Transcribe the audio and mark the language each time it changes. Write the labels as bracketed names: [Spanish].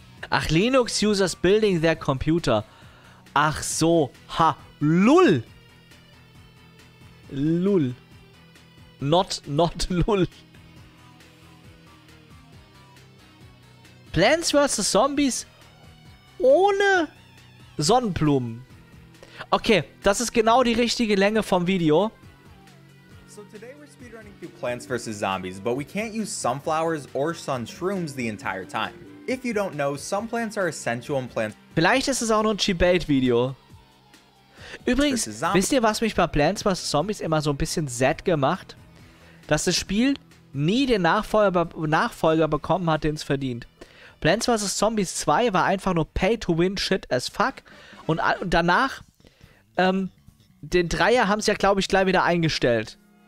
[German] Ach, [English] Linux Users Building Their Computer. [German] Ach so, ha, lul. Lul. [English] Not lul. Plants vs. [German] Zombies ohne Sonnenblumen. Okay, das ist genau die richtige Länge vom Video. [English] So today we're speedrunning through Plants vs. Zombies, but we can't use sunflowers or sun shrooms the entire time. If you don't know, some plants are essential in plants. [German] Vielleicht ist es auch nur ein Chibate-Video. Übrigens, wisst ihr, was mich bei Plants vs. Zombies immer so ein bisschen sad gemacht? Dass das Spiel nie den Nachfolger bekommen hat, den es verdient. Plants vs. Zombies 2 war einfach nur [English] pay to win shit as fuck. [German] Und danach, den Dreier haben sie ja, glaube ich, gleich wieder eingestellt.